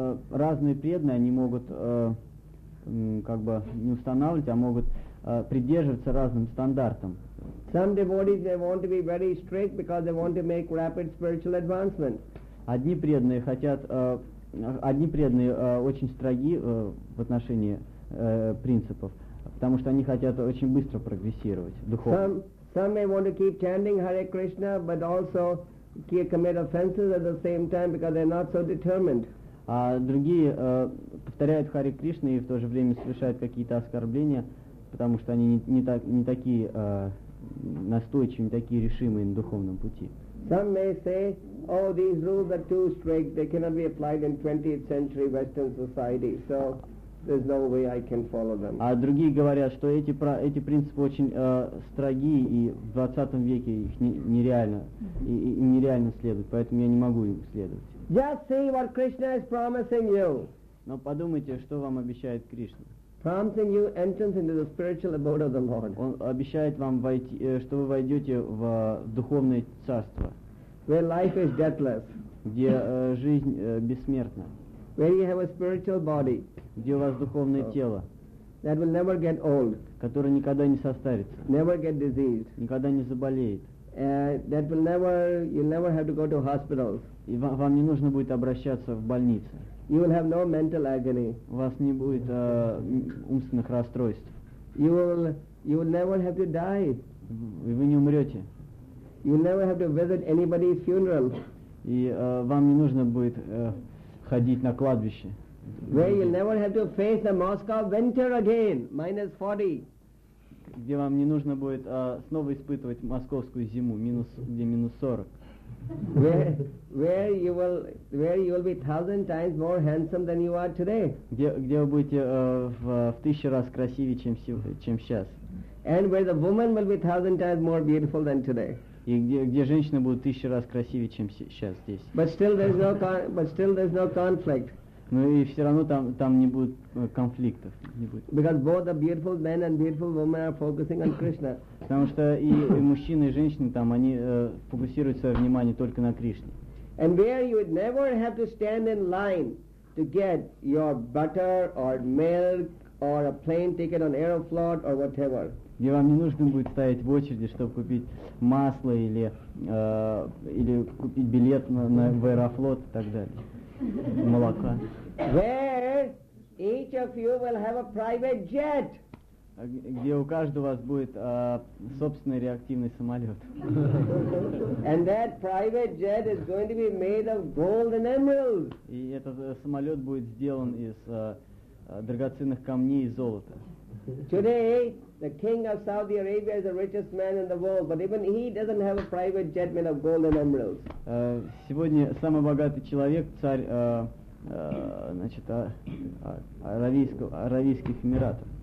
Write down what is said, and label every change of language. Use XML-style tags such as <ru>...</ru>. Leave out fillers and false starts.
<ru>Разные преданные, они могут как бы не устанавливать, а могут придерживаться разным стандартам.</ru> <en>Some devotees, they want to be very strict because they want to make rapid spiritual advancement.</en> <ru>Одни преданные очень строги в отношении принципов, потому что они хотят очень быстро прогрессировать духовно.</ru> <en>Some may want to keep chanting Hare Krishna, but also keep commit offenses at the same time because they're not so determined.</en> <ru>А другие повторяют Харе Кришна и в то же время совершают какие-то оскорбления, потому что они не такие настойчивые, не такие решимые на духовном пути.</ru> <en>Some may say, oh, these rules are too strict, they cannot be applied in 20th century Western society. So there's no way I can follow them.</en> <ru>А другие говорят, что эти принципы очень строги, и в 20 веке их нереально следовать, поэтому я не могу им следовать.</ru> <en>Just see what Krishna is promising you.</en> <ru>Но подумайте, что вам обещает Кришна.</ru> <en>Promising you entrance into the spiritual abode of the Lord.</en> <ru>Он обещает вам войти, что вы войдете в духовное царство.</ru> <en>Where life is deathless.</en> <ru>Где жизнь бессмертна.</ru> <en>Where you have a spiritual body.</en> <ru>Где у вас духовное тело,</ru> <en>that will never get old,</en> <ru>которое никогда не состарится,</ru> <en>never get diseased,</en> <ru>никогда не заболеет,</ru> <en>that will never, you'll never have to go to hospitals,</en> <ru>и вам не нужно будет обращаться в больницы,</ru> <en>you will have no mental agony,</en> <ru>у вас не будет умственных расстройств,</ru> <en>you will never have to die,</en> <ru>и вы не умрете,</ru> <en>you will never have to visit anybody's funeral,</en> <ru>и вам не нужно будет ходить на кладбище.</ru> <en>Where you'll never have to face the Moscow winter again, minus 40.</en> <ru>Где вам не нужно будет снова испытывать московскую зиму, минус 40.</ru> <en>Where you will be 1,000 times more handsome than you are today.</en> <ru>Где вы будете в 1,000 раз красивее, чем сейчас.</ru> <en>And where the woman will be 1,000 times more beautiful than today.</en> <ru>И где женщины будут 1,000 раз красивее, чем сейчас здесь.</ru> <en>But still there's no conflict.</en> <ru>Ну и все равно там не будет конфликтов. Не будет.</ru> <en>Because both the beautiful men and beautiful women are focusing on Krishna.</en> <ru>Потому что и мужчины, и женщины там, они фокусируют свое внимание только на Кришне.</ru> <en>And where you would never have to stand in line to get your butter or milk or a plane ticket on Aeroflot or whatever.</en> <ru>Где вам не нужно будет стоять в очереди, чтобы купить масло или купить билет в Аэрофлот и так далее. Молока.</ru> <en>Where each of you will have a private jet.</en> <ru>Где у каждого вас будет собственный реактивный самолет.</ru> <en>And that private jet is going to be made of gold and emeralds.</en> <ru>И этот самолет будет сделан из драгоценных камней и золота.</ru> <en>Today The king of Saudi Arabia is the richest man in the world, but even he doesn't have a private jet made of gold and emeralds.</en> <ru>Сегодня самый богатый человек, царь, значит, Аравийских Эмиратов.</ru>